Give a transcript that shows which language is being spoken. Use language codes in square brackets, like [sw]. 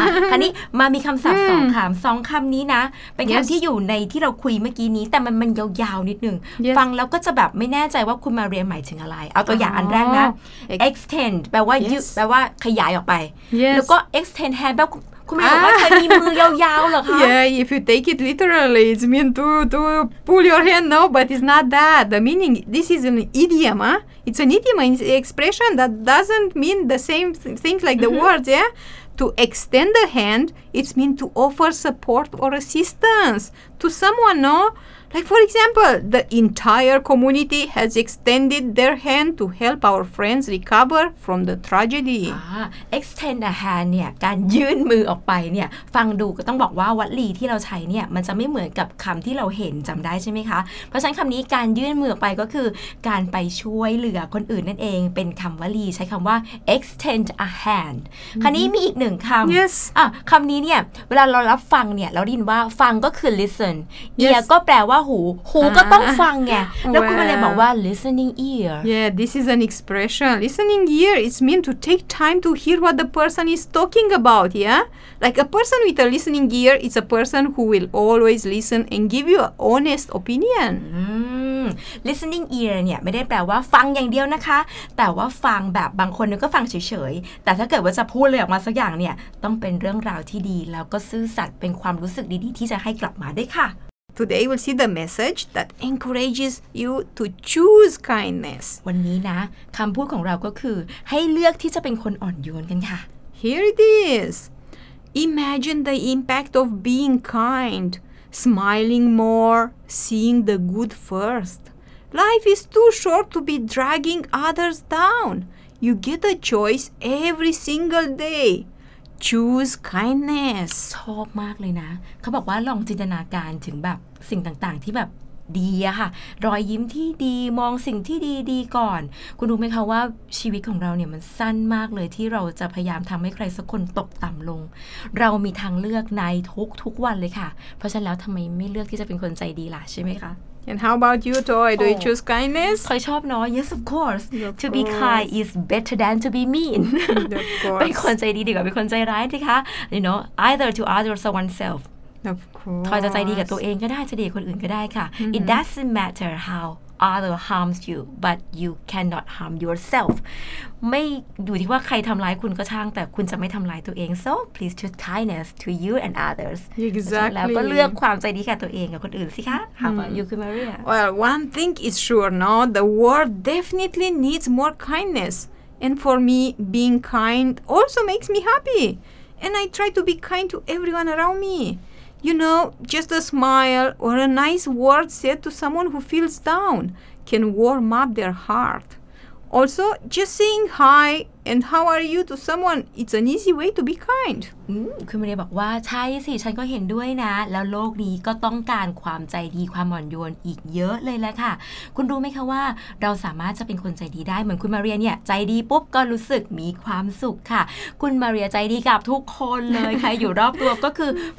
[th] คราวนี้มามีคำศัพท์สองคำนี้นะเป็นคำที่อยู่ในที่เราคุยเมื่อกี้นี้แต่มันยาวๆนิดนึง [en] yes. [th] ฟังแล้วก็จะแบบไม่แน่ใจว่าคุณมาเรียนหมายถึงอะไรเอาตัวอย่างอันแรกนะ extend แปลว่า [en] yes. [th] แปลว่าขยายออกไป [en] yes. [th] แล้วก็ extend hand แปลว่าคุณไม่บอกว่าเธอมีมือยาวๆเหรอคะ [en] Yeah, if you take it literally, it's mean to pull your hand, no, but it's not that. The meaning, this is an idiom, huh? It's an idiom, an expression that doesn't mean the same things like the words, yeah? To extend a hand It means to offer support or assistance to someone, no? Like, for example, the entire community has extended their hand to help our friends recover from the tragedy. [th] Extend a hand เนี่ยการยื่นมือออกไปเนี่ยฟังดูก็ต้องบอกว่าวลีที่เราใช้เนี่ยมันจะไม่เหมือนกับคำที่เราเห็นจำได้ใช่ไหมคะเพราะฉะนั้นคำนี้การยื่นมือไปก็คือการไปช่วยเหลือคนอื่นนั่นเองเป็นคำวลีใช้คำว่า extend a hand คราวนี้มีอีกหนึ่งคำ [en] yes [th] คำนี้เนี่ยเวลาเรารับฟังเนี่ยเราได้ยินว่าฟังก็คือ listen ear ก็แปลว่าหูก็ต้องฟังไงแล้วคุณอะไรบอกว่า listening ear [en] yeah this is an expression listening ear it's mean to take time to hear what the person is talking about yeah like a person with a listening ear is a person who will always listen and give you an honest opinion [th] listening ear เนี่ยไม่ได้แปลว่าฟังอย่างเดียวนะคะแต่ว่าฟังแบบบางคนก็ฟังเฉยๆแต่ถ้าเกิดว่าจะพูดเลยออกมาสักอย่างเนี่ยต้องเป็นเรื่องราวที่ดีแล้วก็ซื่อสัตย์เป็นความรู้สึกดีๆที่จะให้กลับมาด้วยค่ะ [en] Today we'll see the message that encourages you to choose kindness. [th] วันนี้นะคำพูดของเราก็คือให้เลือกที่จะเป็นคนอ่อนโยนกันค่ะ [en] Here it is. Imagine the impact of being kind, smiling more, seeing the good first. Life is too short to be dragging others down. You get a choice every single day. Choose kindness [th] ชอบมากเลยนะเขาบอกว่าลองจินตนาการถึงแบบสิ่งต่างๆที่แบบดีอะค่ะรอยยิ้มที่ดีมองสิ่งที่ดีดีก่อนคุณรู้ไหมคะว่าชีวิตของเราเนี่ยมันสั้นมากเลยที่เราจะพยายามทำให้ใครสักคนตกต่ำลงเรามีทางเลือกในทุกวันเลยค่ะเพราะฉะนั้นแล้วทำไมไม่เลือกที่จะเป็นคนใจดีล่ะใช่ไหมคะ [en] And how about you, Toy? Do you choose kindness? [th] ใครชอบเนาะ [en] Yes, of course. To be kind is better than to be mean. Of course. [th] เป็นคนใจดีดีกว่าเป็นคนใจร้ายสิคะ [en] You know, either to others or oneself. Of course. [th] ทอยจะใจดีกับตัวเองก็ได้ใจดีกับคนอื่นก็ได้ค่ะ [en] It doesn't matter how other harms you, but you cannot harm yourself. [th] ไม่อยู่ที่ว่าใครทำร้ายคุณก็ช่างแต่คุณจะไม่ทำร้ายตัวเอง [en] So, please choose kindness to you and others. Exactly. [th] แล้วก็เลือกความใจดีแค่ตัวเองกับคนอื่นสิคะ [en] How about you, Maria? Well, one thing is sure, no? The world definitely needs more kindness. And for me, being kind also makes me happy. And I try to be kind to everyone around me. You know, just a smile or a nice word said to someone who feels down can warm up their heart. Also, just saying hi and how are you to someone, it's an easy way to be kind. [th] คุณมาเรียบอกว่าใช่สิฉันก็เห็นด้วยนะแล้วโลกนี้ก็ต้องการความใจดีความอ่อนโยนอีกเยอะเลยแหละค่ะคุณรู้ไหมคะว่าเราสามารถจะเป็นคนใจดีได้เหมือนคุณมาเรียเนี่ยใจดีปุ๊บก็รู้สึกมีความสุขค่ะคุณมาเรียใจดีกับทุกคนเลยใครอยู่รอบตัวก็คือ